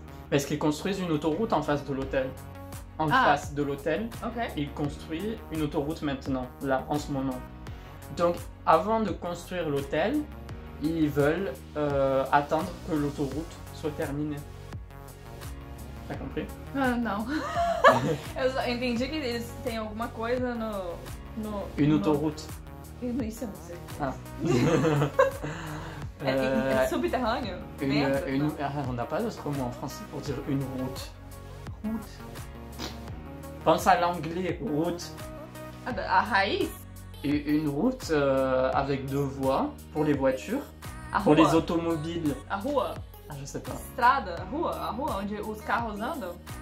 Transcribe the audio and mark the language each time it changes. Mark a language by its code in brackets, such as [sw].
[fr] Parce qu'ils construisent une autoroute en face de l'hôtel. En face de l'hôtel. Ok. Ils construisent une autoroute maintenant, là, en ce moment. Donc, avant de construire l'hôtel, ils veulent attendre que l'autoroute soit terminée. T'as compris? Non. [pt] Eu só entendi que eles têm alguma coisa no. No [fr] une autoroute. [pt] No... Isso eu não sei. Ah. É subterrâneo? [fr] On n'a pas d'autre mot en français pour dire une route. Route. Pense à l'anglais, route. [pt] À raiz? [fr] Une route avec deux voies pour les voitures, a pour [pt] rua. [fr] Les automobiles. [pt] À rua? [fr] Ah, je sais pas. [pt] Estrada, rua, a rua, onde os carros andam?